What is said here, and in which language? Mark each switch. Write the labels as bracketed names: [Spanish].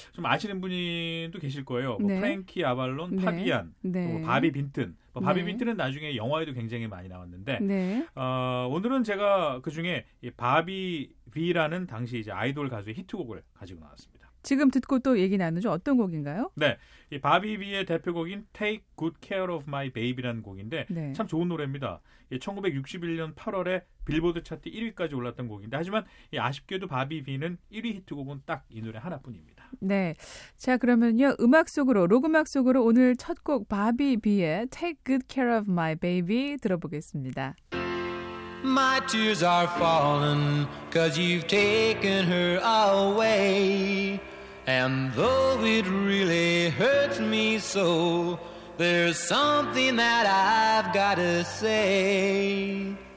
[Korean] 좀 아시는 분도 계실 거예요. 네. 뭐 프랭키 아발론, 파비안, 네. 뭐 바비 빈튼. 뭐 바비 네. 빈튼은 나중에 영화에도 굉장히 많이 나왔는데 네. 오늘은 제가 그중에 바비 V라는 당시 이제 아이돌 가수의 히트곡을 가지고 나왔습니다. 지금 듣고 또 얘기 나누죠. 어떤 곡인가요? 네. 이 바비 V의 대표곡인 Take Good Care of My Baby라는 곡인데 네. 참 좋은 노래입니다. 1961년 8월에 빌보드 차트 1위까지 올랐던 곡인데 하지만 아쉽게도 바비 V는 1위 히트곡은 딱 이 노래 하나뿐입니다. 네. 자, 그러면요. 음악 속으로, 록음악 속으로 오늘 첫 곡 바비 V의 Take Good Care of My Baby 들어보겠습니다. [English] My tears are falling 'cause you've taken her away. And though it really hurts me so, there's something that I've gotta say.